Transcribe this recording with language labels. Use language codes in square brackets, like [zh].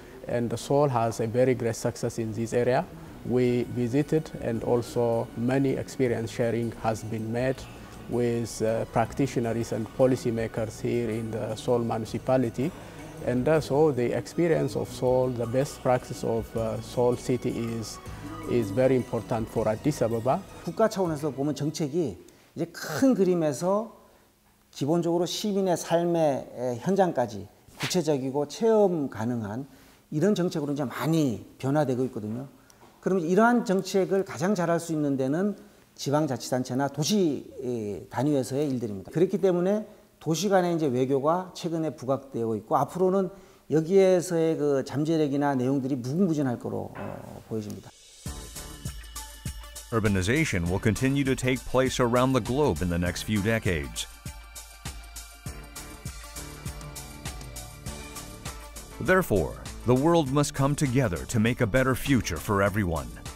[en] And Seoul has a very great success in this area. We visited, and also many experience sharing has been made with practitioners and policymakers here in the Seoul municipality. And so the experience of Seoul, the best practice of Seoul city is very important for Addis Ababa. [ko] 국가 차원에서 보면 정책이 이제 큰 그림에서 기본적으로 시민의 삶의 현장까지 구체적이고 체험 가능한 이런 정책으로 이제 많이 변화되고 있거든요. 그러면 이러한 정책을 가장 잘할 수 있는 데는 지방자치단체나 도시 단위에서의 일들입니다. 그렇기 때문에 도시 간의 이제 외교가 최근에 부각되어 있고 앞으로는 여기에서의 그 잠재력이나 내용들이 무궁무진할 거로 보여집니다. [en] Urbanization will continue to take place around the globe in the next few decades. Therefore, the world must come together to make a better future for everyone.